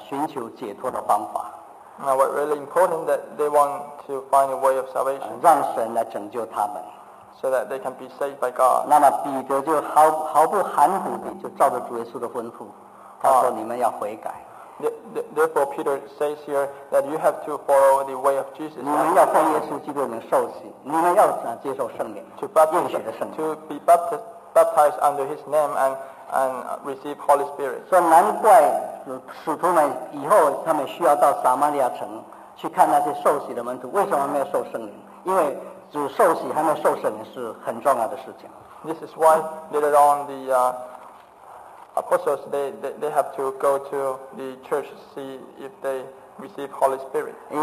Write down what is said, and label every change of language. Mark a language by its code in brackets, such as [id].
[zh] 但最重要就是他们要寻求解脱的方法。 [en] Now what really important that they want to find a way of salvation. [zh] 让神来拯救他们。 [en] So that they can be saved by God. [zh] 那么彼得就毫不含糊地就照着主耶稣的吩咐，他说你们要悔改。 [en] Therefore, Peter says here that you have to follow the way of Jesus. [zh] 你们要奉耶稣基督的名受洗，你们要接受圣灵，应许的圣灵， [en] to be baptized under His name and receive Holy Spirit. [zh] 所以难怪使徒们以后他们需要到撒玛利亚城去看那些受洗的门徒，为什么没有受圣灵？因为主受洗还没受圣灵是很重要的事情。 [en] This is why later on the Apostles, they have to go to the church to see if they receive Holy Spirit.